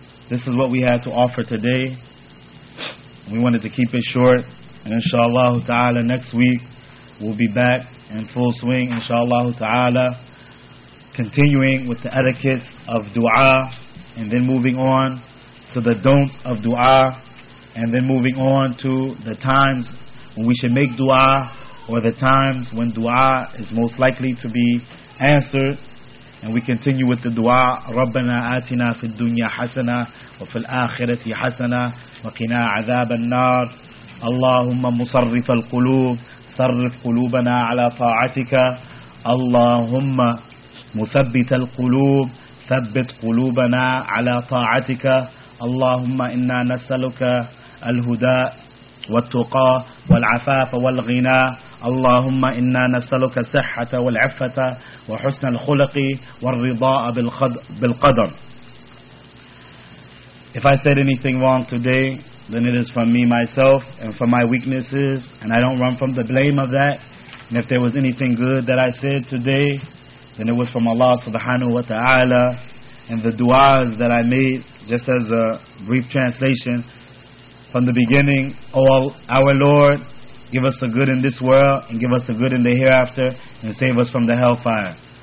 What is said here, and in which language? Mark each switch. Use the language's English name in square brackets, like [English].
[English] This is what we had to offer today. We wanted to keep it short, and inshallah ta'ala next week we'll be back in full swing, inshallah ta'ala, continuing with the etiquettes of dua, and then moving on to the don'ts of dua. And then moving on to the times when we should make dua, or the times when dua is most likely to be answered. And we continue with the dua, [Arabic] رَبَّنَا آتِنَا فِي الدُّنْيَا حَسَنَا وَفِي الْآخِرَةِ حَسَنَا وَقِنَا عَذَابَ النَّارِ اللَّهُمَّ مُصَرِّفَ الْقُلُوبِ صَرِّفْ قُلُوبَنَا عَلَى طَاعَتِكَ اللَّهُمَّ مُثَبِّتَ الْقُلُوبِ ثَبِّتْ قُلُوبَنَا عَلَى طَاعَتِكَ اللَّهُمَّ إِنَّا نَسْأَلُكَ الْهُدَى والتقى والعفاف والغنى اللهم إنا نسألك الصحة والعفة وحسن الخلق والرضاء بالقدر. [English] If I said anything wrong today, then it is from me myself and from my weaknesses, and I don't run from the blame of that. And if there was anything good that I said today, then it was from Allah subhanahu wa ta'ala. And the du'as that I made, just as a brief translation, from the beginning, O our Lord, give us the good in this world, and give us the good in the hereafter, and save us from the hellfire.